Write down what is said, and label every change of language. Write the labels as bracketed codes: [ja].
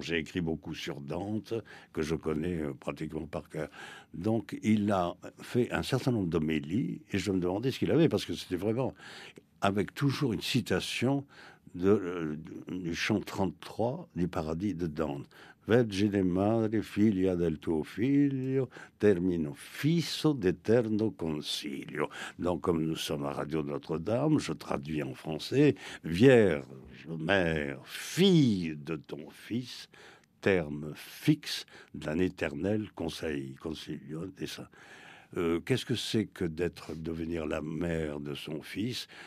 [fr] J'ai écrit beaucoup sur Dante, que je connais pratiquement par cœur. Donc, il a fait un certain nombre d'homélies, et je me demandais ce qu'il avait, parce que c'était vraiment avec toujours une citation du chant 33 du paradis de Dante. [it] Vergine madre, figlia del tuo figlio, termino fisso d'eterno consiglio. [fr] Donc, comme nous sommes à Radio Notre-Dame, je traduis en français. Vierge, mère, fille de ton fils, terme fixe d'un éternel conseil. Consiglio, c'est ça. Qu'est-ce que c'est que d'être devenir la mère de son fils?